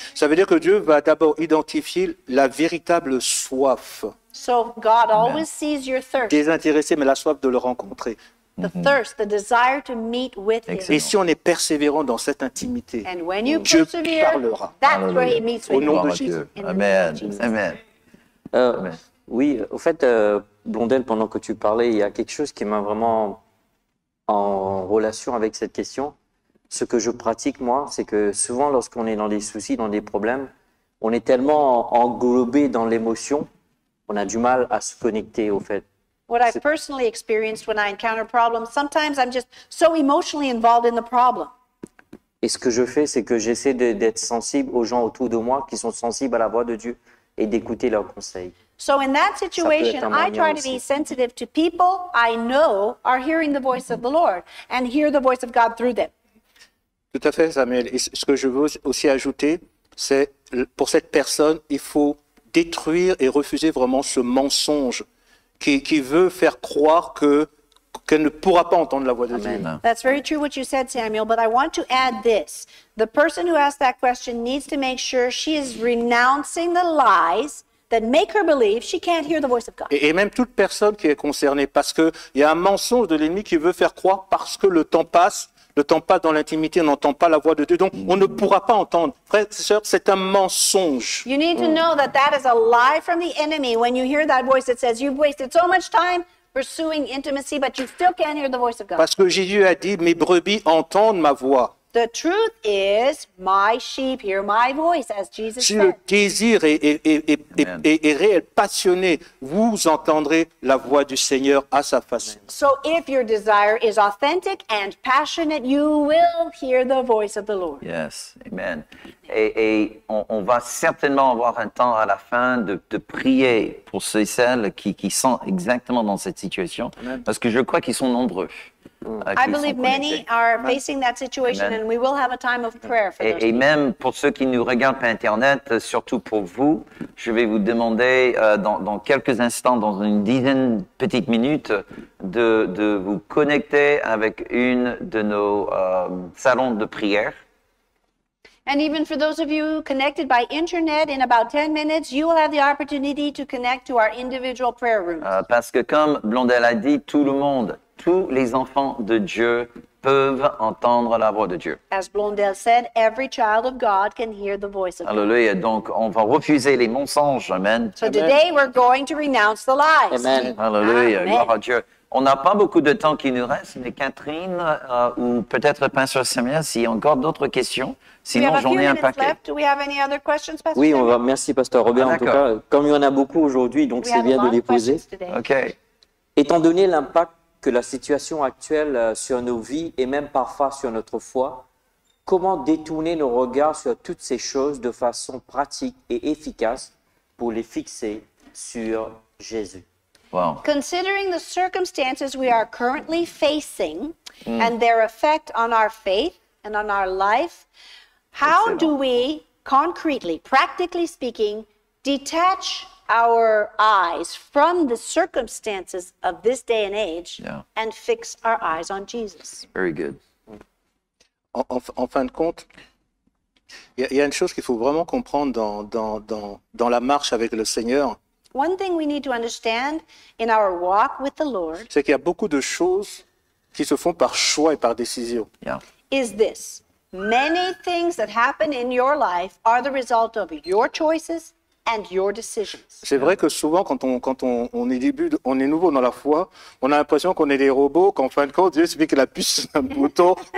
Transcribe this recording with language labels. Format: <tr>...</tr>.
<fr>Ça veut dire que Dieu va d'abord identifier la véritable soif.</fr> <en>So God always sees your thirst.</en> <fr>Désintéressé, mais la soif de le rencontrer.</fr> <en>The thirst, the desire to meet with him.</en> <fr>Et si on est persévérant dans cette intimité,</fr> <en>and when you</en> <fr>Dieu</fr> <en>persevere,</en> <fr>parlera.</fr> <en>That's Alleluia. Where he meets with</en> <fr>Au nom</fr> <en>you.</en> <fr>De Jésus. Amen. Amen. Oui, au fait, Blondel, pendant que tu parlais, il y a quelque chose qui m'a vraiment en relation avec cette question. Ce que je pratique, moi, c'est que souvent, lorsqu'on est dans des soucis, dans des problèmes, on est tellement englobé dans l'émotion, on a du mal à se connecter, au fait.</fr> <en>What I've personally experienced when I encounter problems, sometimes I'm just so emotionally involved in the problem.</en> <fr>Et ce que je fais, c'est que j'essaie d'être sensible aux gens autour de moi qui sont sensibles à la voix de Dieu et d'écouter leurs conseils.</fr> <en>So in that situation, I try to be sensitive to people I know are hearing the voice of the Lord and hear the voice of God through them.</en> <fr>Tout à fait, Samuel. Et ce que je veux aussi ajouter, c'est pour cette personne, il faut détruire et refuser vraiment ce mensonge qui veut faire croire qu'elle ne pourra pas entendre la voix de Dieu.</fr> <en>That's very true what you said, Samuel, but I want to add this. The person who asked that question needs to make sure she is renouncing the lies that make her believe she can't hear the voice of God.</en> <fr>Et même toute personne qui est concernée, parce qu'il y a un mensonge de l'ennemi qui veut faire croire parce que le temps passe dans l'intimité, on n'entend pas la voix de Dieu, donc on ne pourra pas entendre. Frères et sœurs, c'est un mensonge.</fr> <en>You need to know that that is a lie from the enemy when you hear that voice that says you've wasted so much time pursuing intimacy, but you still can't hear the voice of God.</en> <fr>Parce que Jésus a dit, mes brebis entendent ma voix.</fr> <en>The truth is, my sheep hear my voice, as Jesus said.</en> <fr>Si le désir est réel, passionné, vous entendrez la voix du Seigneur à sa façon.</fr> <en>So if your desire is authentic and passionate, you will hear the voice of the Lord. Yes, amen.</en> <fr>Et on va certainement avoir un temps à la fin de prier pour ceux et celles qui sont exactement dans cette situation, amen. Parce que je crois qu'ils sont nombreux.</fr> <en>I believe many are facing that situation, and we will have a time of prayer for those.</en> <fr>Et même pour ceux qui nous regardent par Internet, surtout pour vous, je vais vous demander dans quelques instants, dans une dizaine de petites minutes, de vous connecter avec une de nos salons de prière.</fr> <en>And even for those of you connected by internet, in about 10 minutes, you will have the opportunity to connect to our individual prayer rooms.</en> <fr>Parce que comme Blondel a dit, tout le monde, tous les enfants de Dieu peuvent entendre la voix de Dieu.</fr> <en>As Blondel said, every child of God can hear the voice of God.</en> <fr>Alléluia. Donc, on va refuser les mensonges. Amen.</fr> <en>So today we're going to renounce the lies. Amen.</en> <fr>Alléluia. Gloire à Dieu. On n'a pas beaucoup de temps qui nous reste, mais Catherine ou peut-être Pasteur Samuel, s'il y a encore d'autres questions, sinon j'en ai un paquet.</fr> <en>Do we have any other questions, Pastor?</en> <fr>Oui, on va. Merci, Pasteur Robert. Ah, en tout cas, comme il y en a beaucoup aujourd'hui, donc</fr> <en>we</en> <fr>c'est bien de les poser.</fr> <en>Okay.</en> <fr>Étant donné l'impact que la situation actuelle sur nos vies et même parfois sur notre foi, comment détourner nos regards sur toutes ces choses de façon pratique et efficace pour les fixer sur Jésus?</fr> <en>Wow. Considering the circumstances we are currently facing and their effect on our faith and on our life, how do we concretely, practically speaking, detach our eyes from the circumstances of this day and age and fix our eyes on Jesus? Very good.</en> <fr>En fin de compte, il y a une chose qu'il faut vraiment comprendre dans la marche avec le Seigneur.</fr> <en>One thing we need to understand in our walk with the Lord,</en> <fr>c'est qu'il y a beaucoup de choses qui se font par choix et par décision.</fr> <en>Yeah. Is this many things that happen in your life are the result of your choices and your decisions.</en> <fr>C'est vrai que souvent quand on est début, on est nouveau dans la foi, on a l'impression qu'on est des robots, qu'en fin de compte Dieu suffit qu'il appuie sur un bouton.</fr>